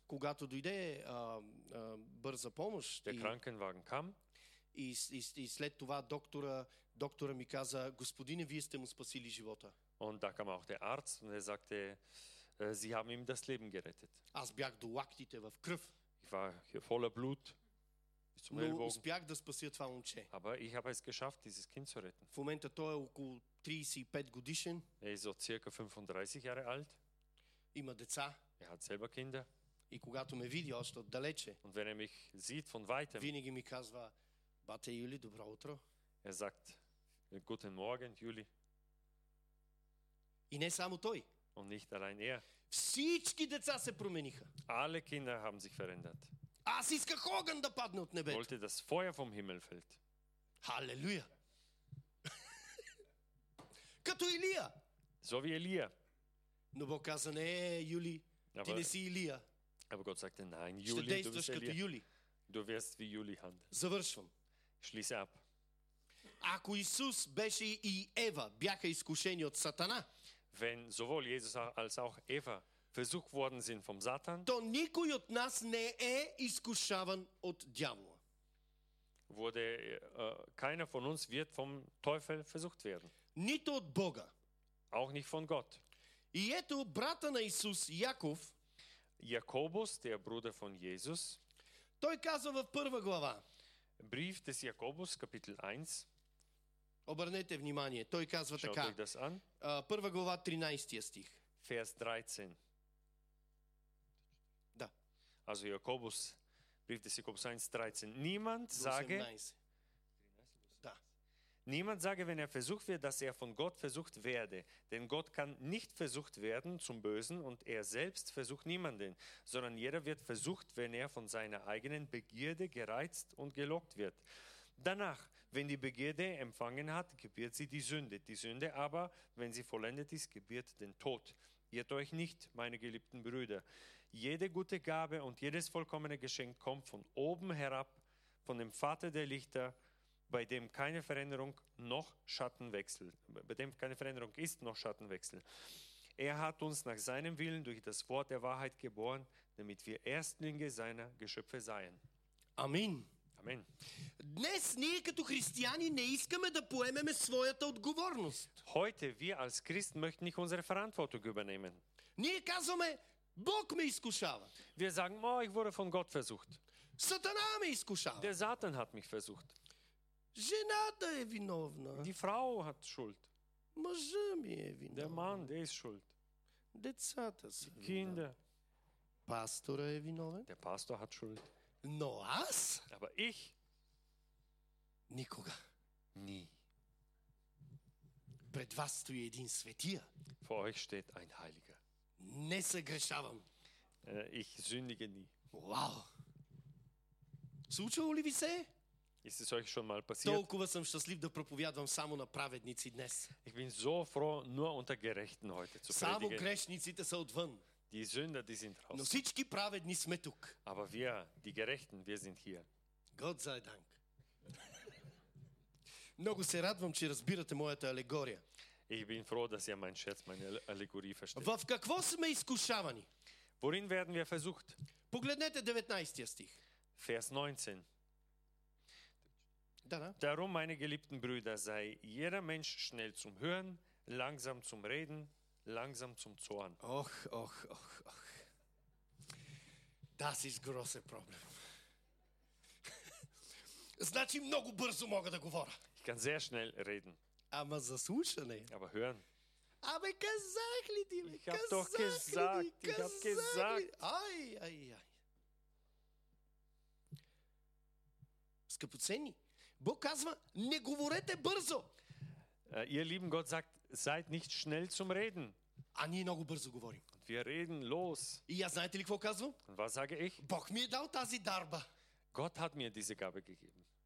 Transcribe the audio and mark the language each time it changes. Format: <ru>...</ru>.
<bg>Когато дойде бърза помощ.</bg> <de>Der Krankenwagen kam.</de> <bg>И след това доктора ми каза: Господине, вие сте му спасили живота.</bg> <de>Und da kam auch der Arzt und er sagte: Sie haben ihm das Leben gerettet.</de> <bg>Аз бях до лактите в кръв.</bg> <de>Ich war hier voller Blut.</de> <bg>Но успях да спася това момче.</bg> <de>Aber ich habe es geschafft, dieses Kind zu retten.</de> <bg>В момента той е около 35 годишен.</bg> <de>Er ist so circa 35 Jahre alt.</de> <bg>Има деца.</bg> <de>Er hat selber Kinder.</de> <bg>И когато ме види още отдалече.</bg> <de>Und wenn er mich sieht von weitem.</de> <bg>Винаги ми казва: Бате Юли, добро утро.</bg> <de>Er sagt: Guten Morgen, Juli.</de> <bg>И не само той.</bg> <de>Und nicht allein er.</de> <bg>Всички деца се промениха.</bg> <de>Alle Kinder haben sich verändert.</de> <bg>Аз исках огън да падне от небето.</bg> <de>Wollte, dass Feuer vom Himmel fällt. Halleluja.</de> <bg>Като Илия.</bg> <de>So wie Elia.</de> <bg>Но Бог каза: Не, Юли, ти не си Илия.</bg> <de>Aber Gott sagte: Nein, Juli, du bist Elia.</de> <bg>Юли.</bg> <de>Du wirst wie Juli handeln.</de> <bg>Завършвам.</bg> <de>Schließe ab.</de> <bg>Ако Исус беше и Ева бяха изкушени от Сатана.</bg> <de>Wenn sowohl Jesus als auch Eva versucht worden sind vom Satan,</de> <bg>то никой от нас не е изкушаван от дявола.</bg> <de>Wurde keiner von uns wird vom Teufel versucht werden.</de> <bg>Нито от Бога.</bg> <de>Auch nicht von Gott.</de> <bg>И ето брата на Исус, Яков,</bg> <de>Jakobus, der Bruder von Jesus,</de> <bg>той казва в първа глава.</bg> <de>Brief des Jakobus, Kapitel 1.</de> <bg>Обърнете внимание, той казва така. Първа глава, 13 стих.</bg> <de>Vers 13.</de> <bg>Да.</bg> <de>Also Jakobus, Brief des Jakobus 1, 13. Niemand sage, 18. Da. Niemand sage, wenn er versucht wird, dass er von Gott versucht werde. Denn Gott kann nicht versucht werden zum Bösen und er selbst versucht niemanden. Sondern jeder wird versucht, wenn er von seiner eigenen Begierde gereizt und gelockt wird. Danach, wenn die Begierde empfangen hat, gebiert sie die Sünde. Die Sünde aber, wenn sie vollendet ist, gebiert den Tod. Irrt euch nicht, meine geliebten Brüder. Jede gute Gabe und jedes vollkommene Geschenk kommt von oben herab, von dem Vater der Lichter, bei dem keine Veränderung noch Schattenwechsel, bei dem keine Veränderung ist noch Schattenwechsel. Er hat uns nach seinem Willen durch das Wort der Wahrheit geboren, damit wir Erstlinge seiner Geschöpfe seien. Amen. Amen.</de> <bg>Днес ние като християни не искаме да поемеме своята отговорност.</bg> <de>Heute wir als Christen möchten nicht unsere Verantwortung übernehmen.</de> <bg>Ние казваме: Бог ме изкушава.</bg> <de>Wir sagen: Oh, ich wurde von Gott versucht.</de> <bg>Сатана ме изкушава.</bg> <de>Der Satan hat mich versucht.</de> <bg>Жената е виновна.</bg> <de>Die Frau hat Schuld.</de> <bg>Мъжът ми е виновен.</bg> <de>Der Mann, der ist schuld.</de> <bg>Децата са виновни.</bg> <de>Kinder. Pastor ist</de> <bg>виновен.</bg> <de>Der Pastor hat Schuld.</de> <bg>Но аз?</bg> <de>Aber ich?</de> <bg>Никога.</bg> <de>Nie.</de> <bg>Пред вас стои един светия.</bg> <de>Vor euch steht ein Heiliger.</de> <bg>Не съгрешавам.</bg> <de>Ich sündige nie.</de> <bg>Wow. Случвало ли ви се?</bg> <de>Ist es euch schon mal passiert?</de> <bg>Толкова съм щастлив да проповядвам само на праведници днес.</bg> <de>Ich bin so froh, nur unter Gerechten heute zu predigen.</de> <bg>Само грешниците са отвън.</bg> <de>Die Sünder, die sind raus.</de> <bg>Но всички праведни сме тук.</bg> <de>Aber wir, die Gerechten, wir sind hier. Gott sei Dank.</de> <bg>Много се радвам, че разбирате моята алегория.</bg> <de>Ich bin froh, dass ihr meinen Scherz, meine Allegorie versteht.</de> <bg>Във какво сме изкушавани?</bg> <de>Worin werden wir versucht?</de> <bg>Погледнете 19-я стих.</bg> <de>Vers 19. Da. Darum, meine geliebten Brüder, sei jeder Mensch schnell zum Hören, langsam zum Reden, langsam zum Zorn. Och, och, och, och. Das ist große Problem.</de> <bg>Значи много бързо мога да говоря.</bg> <de>Ich kann sehr schnell reden.</de> <bg>Ама за слушане.</bg> <de>Aber hören. Aber gesagt, ich habe doch gesagt. Ich habe gesagt. Ай, ай, ай.</de> <bg>Скъпоцени. Бог казва, не говорете бързо.</bg> <de>Ihr lieben Gott sagt, seid nicht schnell zum Reden.</de> <bg>А ние много бързо говорим.</bg> <de>Wir reden los.</de> <bg>И аз знаете ли какво казвам?</bg> <de>Und was sage ich?</de> <bg>Бог ми е дал тази дарба.</bg> <de>Gott hat mir diese Gabe gegeben.</de>